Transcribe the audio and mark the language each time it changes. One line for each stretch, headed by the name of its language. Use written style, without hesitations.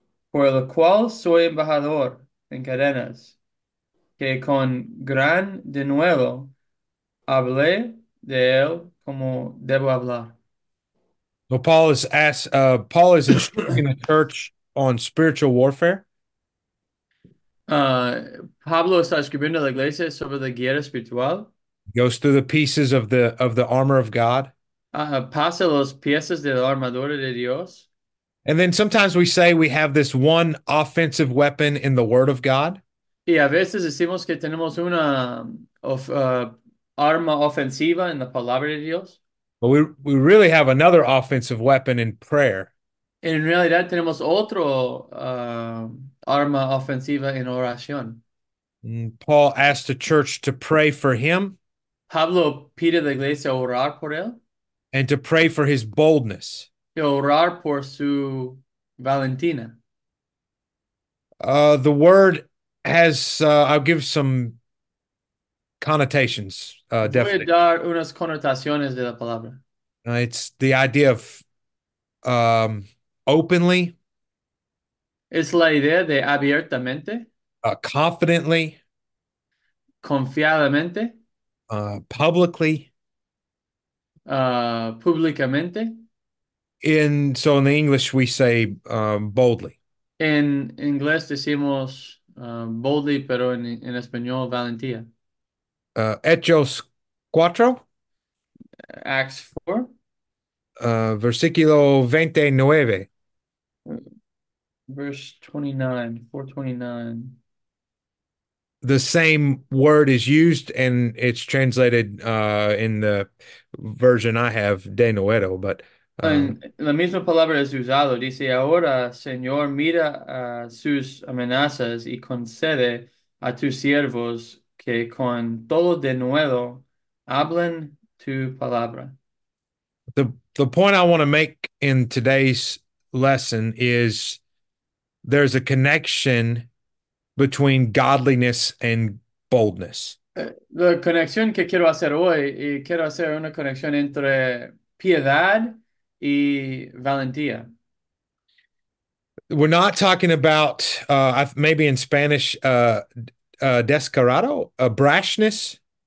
Spanish: por el cual soy embajador en cadenas, que con gran denuedo hablé de él como debo hablar.
English: So Paul is asked, Paul is instructing the church on spiritual warfare.
Spanish: Pablo está escribiendo a la iglesia sobre la guerra espiritual.
English: Goes through the pieces of the armor of God.
Spanish: Pasa los piezas de la armadura de Dios.
English: And then sometimes we say we have this one offensive weapon in the Word of God.
Spanish: Y a veces decimos que tenemos una arma ofensiva en la palabra de Dios.
English: But we really have another offensive weapon in prayer.
Spanish: En realidad tenemos otro arma ofensiva en oración.
English: And Paul asked the church to pray for him
Spanish: Pablo pide a la iglesia orar por él.
English: and to pray for his boldness.
Spanish: Y orar por su Valentina.
English: The word has, I'll give some connotations,
Spanish: Voy a
English: definitions.
Spanish: dar unas connotaciones de la palabra.
English: It's the idea of openly,
Spanish: Es la idea de abiertamente,
English: confidently,
Spanish: confiadamente,
English: publicly.
Spanish: públicamente.
English: In so in the English we say boldly.
Spanish: En inglés decimos boldly, pero en español valentía. Hechos cuatro.
English: Acts 4.
Spanish: Versículo 29.
English: Verse 29, 429. The same word is used and it's translated in the version I have,
Spanish: de nuevo,
English: but
Spanish: En la misma palabra es usado, dice: Ahora, Señor, mira a sus amenazas y concede a tus siervos que con todo denuedo hablen tu palabra.
English: The point I want to make in today's lesson is there's a connection between godliness and boldness.
Spanish: La conexión que quiero hacer hoy, y quiero hacer una conexión entre piedad y valentía.
English: We're not talking about maybe in Spanish descarado, a brashness.